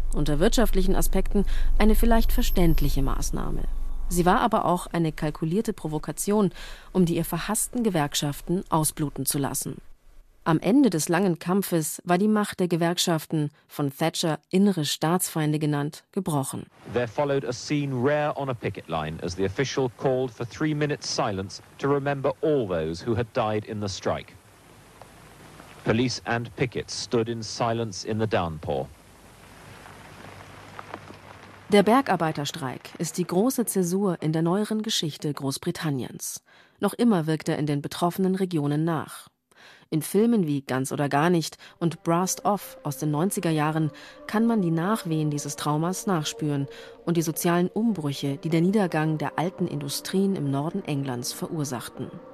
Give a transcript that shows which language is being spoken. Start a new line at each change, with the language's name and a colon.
German: Unter wirtschaftlichen Aspekten eine vielleicht verständliche Maßnahme. Sie war aber auch eine kalkulierte Provokation, um die ihr verhassten Gewerkschaften ausbluten zu lassen. Am Ende des langen Kampfes war die Macht der Gewerkschaften, von Thatcher innere Staatsfeinde genannt, gebrochen.
English: There followed a scene rare on a picket line as the official called for 3 minutes silence to remember all those who had died in the strike. Police and pickets stood in silence in the downpour.
German: Der Bergarbeiterstreik ist die große Zäsur in der neueren Geschichte Großbritanniens. Noch immer wirkt er in den betroffenen Regionen nach. In Filmen wie Ganz oder gar nicht und Brassed Off aus den 90er Jahren kann man die Nachwehen dieses Traumas nachspüren und die sozialen Umbrüche, die der Niedergang der alten Industrien im Norden Englands verursachten.